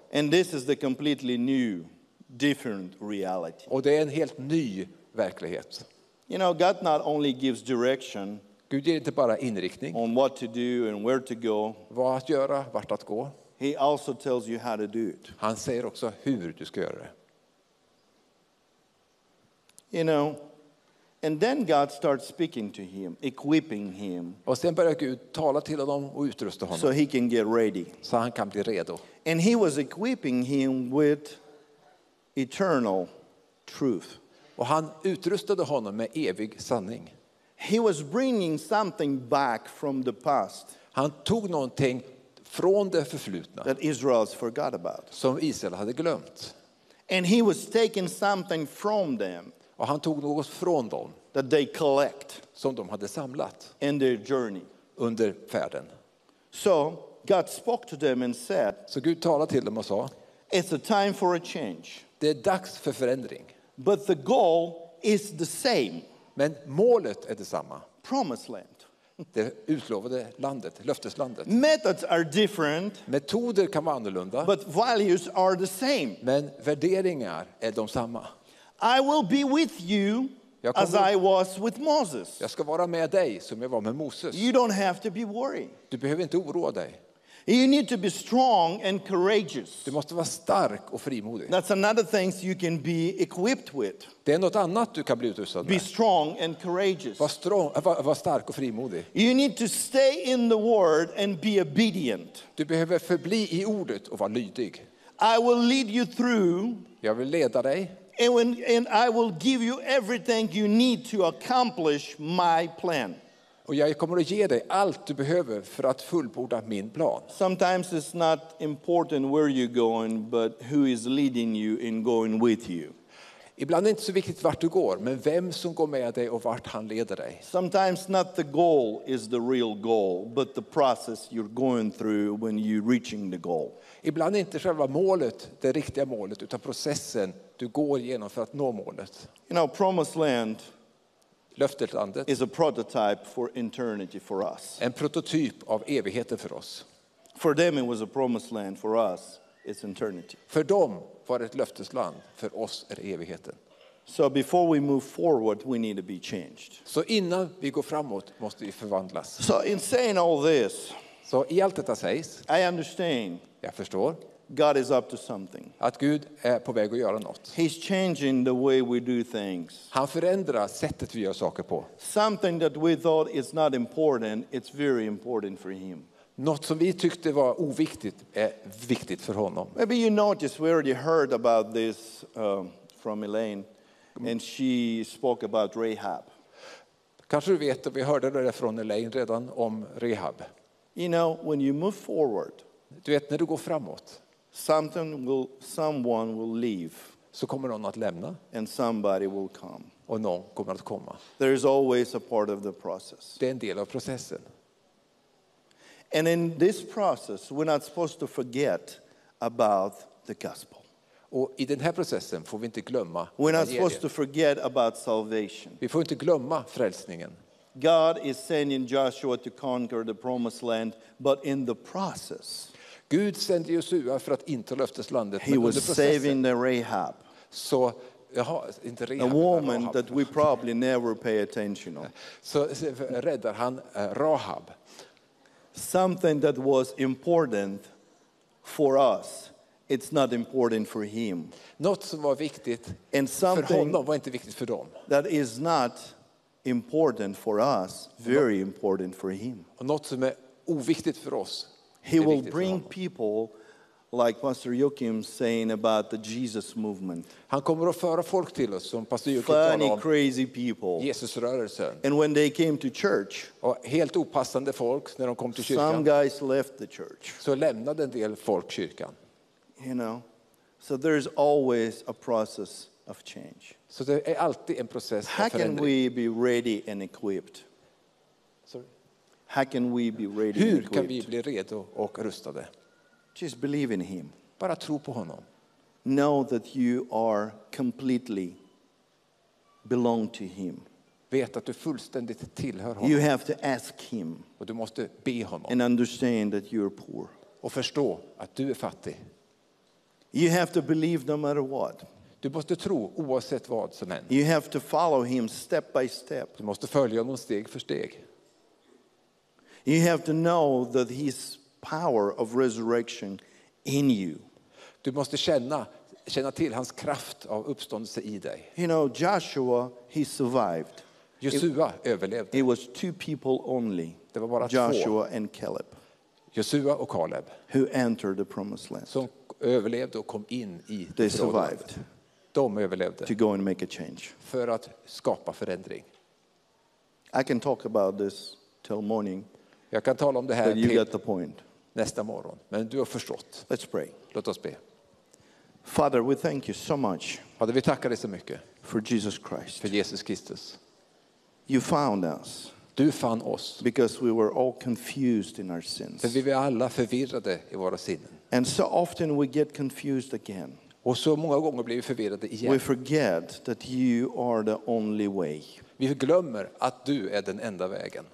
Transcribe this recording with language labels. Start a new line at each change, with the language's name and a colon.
English: And this is the completely new, different reality.
Swedish: Och det är en helt ny verklighet.
English: You know, God not only gives direction.
Swedish: Gud ger inte bara inriktning.
English: On what to do and where to go.
Swedish: Vad att göra, vart att gå.
English: He also tells you how to do it.
Swedish: Han säger också hur du ska göra det.
English: You know, and then God starts speaking to him, equipping him.
Swedish: Och sen börjar Gud tala till honom och utrusta honom.
English: So he can get ready.
Swedish: Så han kan bli redo.
English: And he was equipping him with eternal truth.
Swedish: Och han utrustade honom med evig sanning.
English: He was bringing something back from the past.
Swedish: Han tog någonting från det förflutna.
English: That Israel forgot about.
Swedish: Som Israel hade glömt.
English: And he was taking something from them.
Swedish: Och han tog något från dem
English: that they collect
Swedish: som de hade samlat
English: in their journey
Swedish: under färden.
English: So God spoke to them and said,
Swedish: så Gud talade till dem och sa,
English: it's a time for a change.
Swedish: Det är dags för förändring.
English: But the goal is the same.
Swedish: Men målet är detsamma.
English: Promised land.
Swedish: Det utlovade landet, löfteslandet.
English: Methods are different.
Swedish: Metoder kan vara annorlunda.
English: But values are the same.
Swedish: Men värderingar är de samma.
English: I will be with you as I was with Moses.
Swedish: Jag ska vara med dig som jag var med Moses.
English: You don't have to be worried.
Swedish: Du behöver inte oroa dig.
English: You need to be strong and courageous.
Swedish: Du måste vara stark och frimodig.
English: That's another thing you can be equipped with.
Swedish: Det är något annat du kan bli utrustad med.
English: Be strong and courageous.
Swedish: Var stark och frimodig.
English: You need to stay in the word and be obedient.
Swedish: Du behöver förbli I ordet och vara lydig.
English: I will lead you through.
Swedish: Jag vill leda dig.
English: And I will give you everything you need to accomplish my plan.
Swedish: Och jag kommer att ge dig allt du behöver för att fullborda min plan.
English: Sometimes it's not important where you're going, but who is leading you in going with you.
Swedish: Ibland är det inte så viktigt vart du går, men vem som går med dig och vart han leder dig.
English: Sometimes not the goal is the real goal, but the process you're going through when you're reaching the goal.
Swedish: Ibland är inte själva målet det riktiga målet, utan processen du går igenom för att nå målet.
English: You know, promised land,
Swedish: löfteslandet,
English: is a prototype for eternity for us.
Swedish: En prototyp av evigheten för oss.
English: For them it was a promised land, for us it's eternity.
Swedish: För dem var ett löftesland, för oss är det evigheten.
English: So before we move forward we need to be changed.
Swedish: Så innan vi går framåt måste vi förvandlas.
English: So in saying all this,
Swedish: så I allt detta sägs,
English: I understand.
Swedish: Jag förstår.
English: God is up to something.
Swedish: Att Gud är på väg att göra något.
English: He's changing the way we do things.
Swedish: Han förändrar sättet vi gör saker på.
English: Something that we thought is not important, it's very important for him.
Swedish: Något som vi tyckte var oviktigt är viktigt för honom.
English: Maybe you noticed, we already heard about this from Elaine, and she spoke about Rahab.
Swedish: Kanske du vet att vi hörde det från Elaine redan om Rahab.
English: You know, when you move forward.
Swedish: Du vet när du går framåt.
English: Someone will leave.
Swedish: Så kommer någon att lämna.
English: And somebody will come.
Swedish: Och någon kommer att komma.
English: There is always a part of the process.
Swedish: Det är en del av processen.
English: And in this process, we're not supposed to forget about the gospel.
Swedish: Och I den här processen får vi inte glömma.
English: We're not supposed to forget about salvation.
Swedish: Vi får inte glömma frälsningen.
English: God is sending Joshua to conquer the promised land, but in the process.
Swedish: Gud sände Josua för att inta löfteslandet.
English: He was saving the Rahab.
Swedish: Så inte Rahab.
English: A woman that we probably never pay attention to.
Swedish: Så räddar han Rahab.
English: Something that was important for us, it's not important for him.
Swedish: Något som var viktigt för honom var inte viktigt för dem.
English: That is not important for us, very important for him.
Swedish: Något som är oviktigt för oss.
English: He will bring people like Pastor Joachim saying about the Jesus movement.
Swedish: Han kommer att föra folk till oss som Pastor Joachim talar om.
English: Funny, crazy people.
Swedish: Jesusrörelsen.
English: And when they came to church,
Swedish: och helt opassande folk när de kom till kyrkan.
English: Some guys left the church.
Swedish: Så lämnade en del folk kyrkan.
English: You know, so there is always a process of change.
Swedish: Så det är alltid en process.
English: How can we be ready and equipped? How can we be ready?
Swedish: Hur kan vi bli redo och rustade?
English: Just believe in him.
Swedish: Bara tro på honom.
English: Know that you are completely belong to him.
Swedish: Vet att du fullständigt tillhör honom.
English: You have to ask him.
Swedish: Och du måste be honom.
English: And understand that you are poor.
Swedish: Och förstå att du är fattig.
English: You have to believe no matter what.
Swedish: Du måste tro oavsett vad som än.
English: You have to follow him step by step.
Swedish: Du måste följa honom steg för steg.
English: You have to know that his power of resurrection in you.
Swedish: Du måste känna till hans kraft av uppståndelse i dig.
English: You know, Joshua, he survived.
Swedish: Josua överlevde.
English: It was two people only.
Swedish: Det var bara
English: Joshua
Swedish: två.
English: And Caleb.
Swedish: Josua och Caleb.
English: Who entered the promised land.
Swedish: Som överlevde och kom in i det.
English: They survived.
Swedish: De överlevde.
English: To go and make a change.
Swedish: För att skapa förändring.
English: I can talk about this till morning.
Swedish: Jag kan tala om det här
English: you get the point.
Swedish: Nästa morgon, men du har förstått.
English: Let's pray.
Swedish: Låt oss be.
English: Father, we thank you so much.
Swedish: Fader, vi tackar dig så mycket.
English: For Jesus Christ.
Swedish: För Jesus Kristus.
English: You found us.
Swedish: Du fann oss.
English: Because we were all confused in our sins.
Swedish: För vi var alla förvirrade i våra sinnen.
English: And so often we get confused again.
Swedish: Och så många gånger blir vi förvirrade igen.
English: We forget that you are the only way.
Swedish: Vi glömmer att du är den enda vägen.